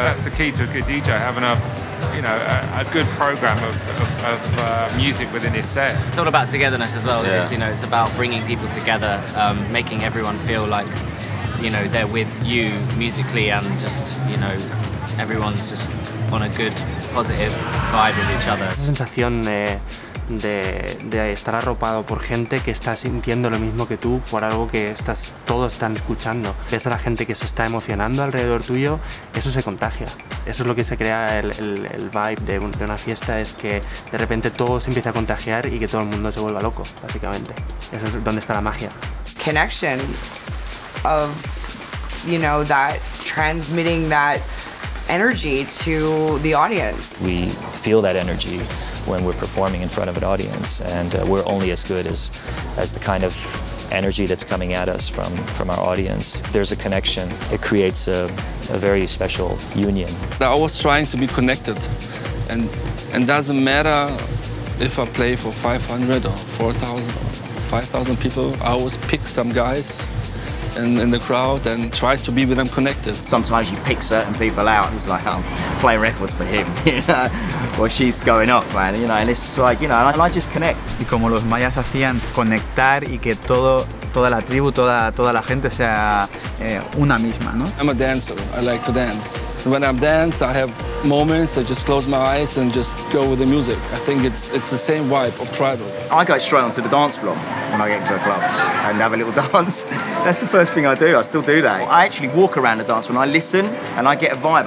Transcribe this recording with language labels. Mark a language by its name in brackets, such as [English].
[English] That's the key to a good DJ, having a good program of music within his set. It's all about togetherness as well. Yeah. It's about bringing people together, making everyone feel like, you know, they're with you musically, and just, you know, everyone's just on a good, positive vibe with each other. [Spanish] Esa sensación de estar arropado por gente que está sintiendo lo mismo que tú, por algo que todos están escuchando. Ves a la gente que se está emocionando alrededor tuyo, eso se contagia. Eso es lo que se crea el vibe de una fiesta, es que de repente todo se empieza a contagiar y que todo el mundo se vuelva loco, básicamente. Eso es donde está la magia. [English] Connection of, you know, that transmitting that energy to the audience. We feel that energy when we're performing in front of an audience, and we're only as good as the kind of energy that's coming at us from our audience. If there's a connection, it creates a very special union. They're always trying to be connected, and doesn't matter if I play for 500 or 4,000 or 5,000 people, I always pick some guys in the crowd and try to be with them connected. Sometimes you pick certain people out and it's like, I'm playing records for him, or she's going off, man, you know, and it's like, you know, and I just connect. [Spanish] Y como los mayas hacían conectar y que toda la tribu, toda la gente sea una misma, ¿no? [English] I'm a dancer, I like to dance. When I dance, I have moments, I just close my eyes and just go with the music. I think it's the same vibe of tribal. I go straight onto the dance floor when I get to a club and have a little dance. That's the first thing I do, I still do that. I actually walk around the dance floor and I listen and I get a vibe.